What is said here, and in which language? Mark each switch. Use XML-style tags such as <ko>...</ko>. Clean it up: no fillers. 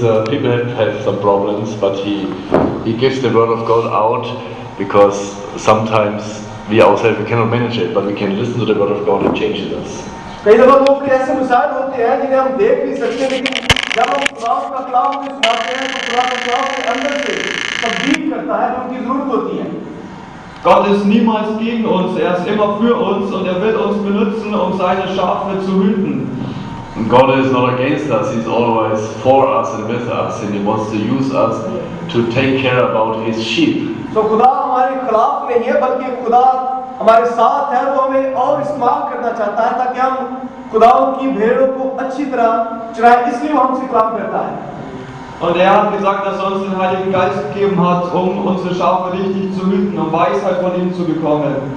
<en>People have some problems, but he gives the word of God out, because sometimes we ourselves cannot manage it, but we can listen to the word of God and change us.</en> <hi>कई दफा लोग भी ऐसे मिसाल होते हैं जिन्हें हम देख नहीं सकते लेकिन जब हम खुदा का कलाम भी सुनाते हैं तो खुदा का कलाम के अंदर से तब्दील करता है जो उनकी जरूरत होती है</hi> <de>Gott ist niemals gegen uns, er ist immer für uns und er will uns benutzen, um seine Schafe zu hüten.</de> <en>And God is not against us, he's always for us and with us and he wants to use us to take care about his sheep.</en> <hi>So खुदा हमारे खिलाफ नहीं है बल्कि खुदा हमारे साथ है वो हमें और इस्तेमाल करना चाहता है ताकि हम खुदाओं की भेड़ों को अच्छी तरह चराए इसलिए वो हमसे काम करता है</hi> <de>und er hat gesagt dass er uns den heiligen geist gegeben hat um unsere schafe richtig zu hüten und weisheit von ihm zu bekommen</de>